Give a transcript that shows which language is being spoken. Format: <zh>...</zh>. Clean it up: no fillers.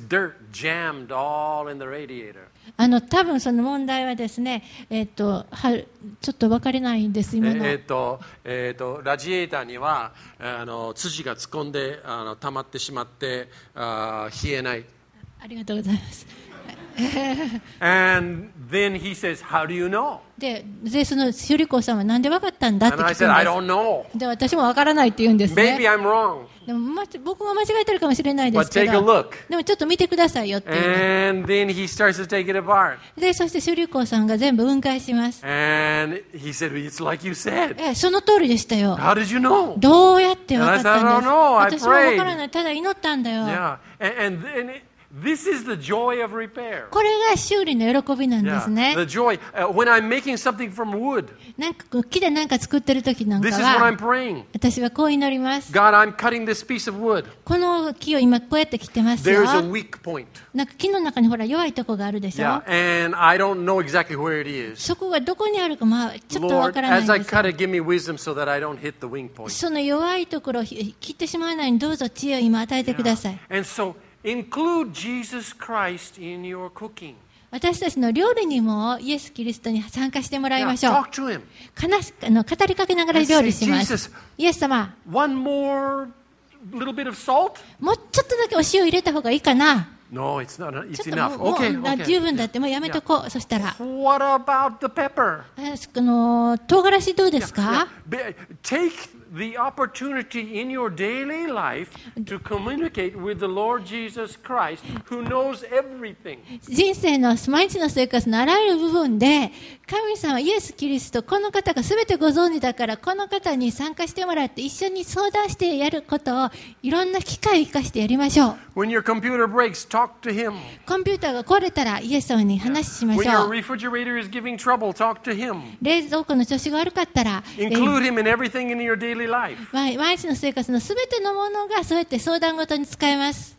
<ja>多分その問題はですね、ちょっと分かりないんです今の。ラジエーターには辻が突っ込んで溜まってしまって冷えない。ありがとうございます。</ja> <en>And then he says, How do you know?</en> <ja>でその修理工さんはなんで分かったんだって聞くんです。</ja> <en>And I said, I don't know.</en> <ja>で私も分からないって言うんですね。</ja> <en>Maybe I'm wrong.</en> <ja>でも僕も間違えてるかもしれないですけど。</ja> <en>But take a look.</en> <ja>でもちょっと見てくださいよっていう。</ja> <en>And then he starts to take it apart.</en> <ja>でそして修理工さんが全部分解します。</ja> <en>And he said, It's like you said.</en> <ja>その通りでしたよ。</ja> <en>How did you know?</en> <ja>どうやって分かったんです。</ja> <en>I don't know. I prayed.</en> <ja>私も分からない。ただ祈ったんだよ。</ja> <en>Yeah. And then it... This is the joy of repair.</en> <ja>これが修理の喜びなんですね。</ja> <en>Yeah, the joy. When I'm making something from wood,</en> <ja>なんか木で何か作ってる時なんかは、</ja> <en>This is what I'm praying.</en> <ja>私はこう祈ります。</ja> <en>God, I'm cutting this piece of wood.</en> <ja>この木を今こうやって切ってますよ。</ja> <en>There's a weak point.</en> <ja>なんか木の中にほら弱いとこがあるでしょ。</ja> <en>Yeah, and I don't know exactly where it is.</en> <ja>そこがどこにあるかまあちょっとわからないんですよ。</ja> <en>Lord, as I cut it, give me wisdom so that I don't hit the weak point.</en> <ja>その弱いところを切ってしまわないようにどうぞ知恵を今与えてください。</ja> <en>Yeah. And so,Include Jesus Christ in your cooking.</en> <ja>私たちの料理にもイエス・キリストに参加してもらいましょう。</ja> <en>Now, talk to him.</en> <ja>語りかけながら料理します。</ja> <en>Say,</en> <ja>イエス様、</ja> <en>One more little bit of salt?</en> <ja>もうちょっとだけお塩入れた方がいいかな。</ja> <en>No, it's not. It's enough. Okay, okay.</en> <ja>十分だって、もうやめとこう。 Yeah. そしたら、</ja> <en>What about the pepper?</en> <ja>唐辛子どうですか？</ja> <en>Yeah. Yeah. Take the opportunity in your daily life to communicate with the Lord Jesus Christ, who knows everything.</en> <ja>人生の毎日の生活のあらゆる部分で、神様イエス・キリスト、この方がすべてご存知だから、この方に参加してもらって一緒に相談してやることをいろんな機会を生かしてやりましょう。</ja> <en>When your computer breaks, talk to him.</en> <ja>コンピューターが壊れたらイエス様に話しましょう。</ja> <en>When your refrigerator is giving trouble, talk to him.</en> <ja>冷蔵庫の調子が悪かったら、</ja> <en>Include him in everything in your daily life.</en> <ja>毎日の生活のすべてのものがそうやって相談ごとに使えます。</ja>